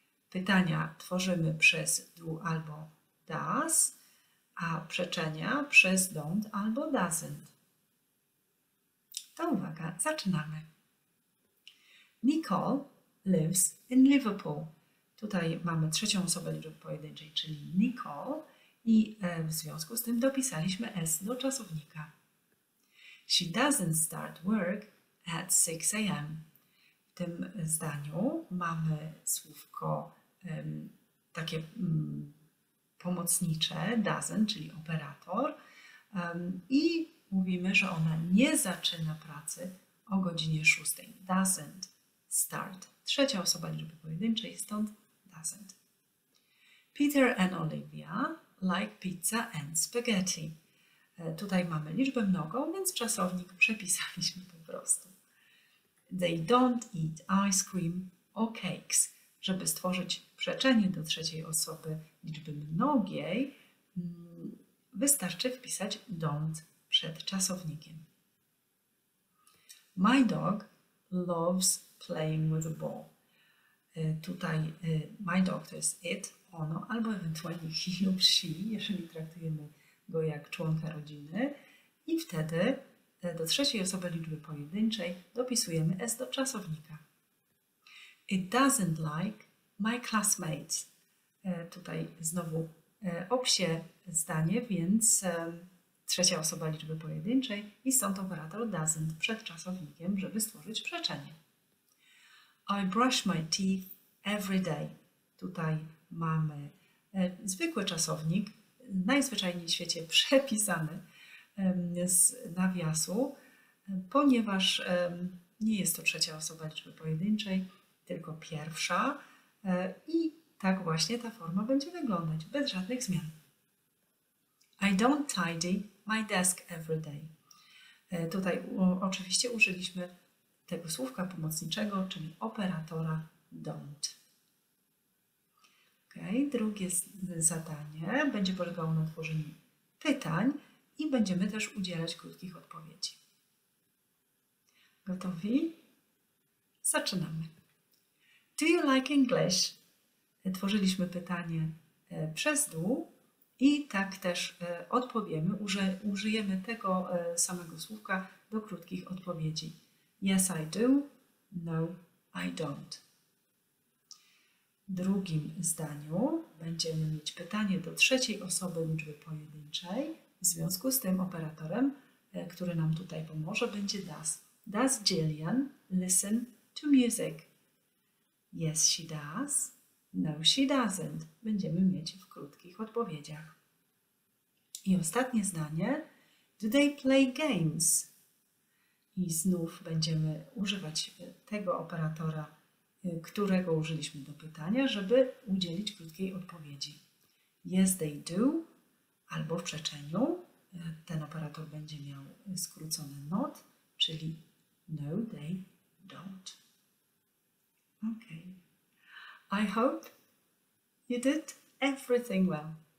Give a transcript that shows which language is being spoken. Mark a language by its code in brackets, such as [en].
[pl] Pytania tworzymy przez do albo does, a przeczenia przez don't albo doesn't. To uwaga, zaczynamy. [en] Nicole lives in Liverpool. [pl] Tutaj mamy trzecią osobę liczby pojedynczej, czyli Nicole, i w związku z tym dopisaliśmy s do czasownika. [en] She doesn't start work at 6 a.m. [pl] W tym zdaniu mamy słówko takie pomocnicze, doesn't, czyli operator. I mówimy, że ona nie zaczyna pracy o godzinie 6. [en] Doesn't start. [pl] Trzecia osoba liczby pojedynczej, stąd doesn't. [en] Peter and Olivia like pizza and spaghetti. [pl] Tutaj mamy liczbę mnogą, więc czasownik przepisaliśmy po prostu. [en] They don't eat ice cream or cakes. [pl] Żeby stworzyć przeczenie do trzeciej osoby liczby mnogiej, wystarczy wpisać don't przed czasownikiem. [en] My dog loves playing with a ball. [pl] Tutaj my dog to jest it, ono, albo ewentualnie he lub she, jeżeli traktujemy go jak członka rodziny, i wtedy do trzeciej osoby liczby pojedynczej dopisujemy s do czasownika. [en] It doesn't like my classmates. [pl] Tutaj znowu obsie zdanie, więc trzecia osoba liczby pojedynczej i stąd operator doesn't przed czasownikiem, żeby stworzyć przeczenie. [en] I brush my teeth every day. [pl] Tutaj mamy zwykły czasownik, najzwyczajniej w świecie przepisany z nawiasu, ponieważ nie jest to trzecia osoba liczby pojedynczej, tylko pierwsza, i tak właśnie ta forma będzie wyglądać, bez żadnych zmian. [en] I don't tidy my desk every day. [pl] Tutaj oczywiście użyliśmy tego słówka pomocniczego, czyli operatora don't. Okay. Drugie zadanie będzie polegało na tworzeniu pytań i będziemy też udzielać krótkich odpowiedzi. Gotowi? Zaczynamy. [en] Do you like English? [pl] Tworzyliśmy pytanie przez do i tak też odpowiemy, użyjemy tego samego słówka do krótkich odpowiedzi. [en] Yes, I do. No, I don't. [pl] W drugim zdaniu będziemy mieć pytanie do trzeciej osoby liczby pojedynczej. W związku z tym operatorem, który nam tutaj pomoże, będzie does. [en] Does Jillian listen to music? Yes, she does. No, she doesn't. [pl] Będziemy mieć w krótkich odpowiedziach. I ostatnie zdanie. [en] Do they play games? [pl] I znów będziemy używać tego operatora, którego użyliśmy do pytania, żeby udzielić krótkiej odpowiedzi. [en] Yes, they do, [pl] albo w przeczeniu ten operator będzie miał skrócone not, czyli [en] no, they don't. Ok. I hope you did everything well.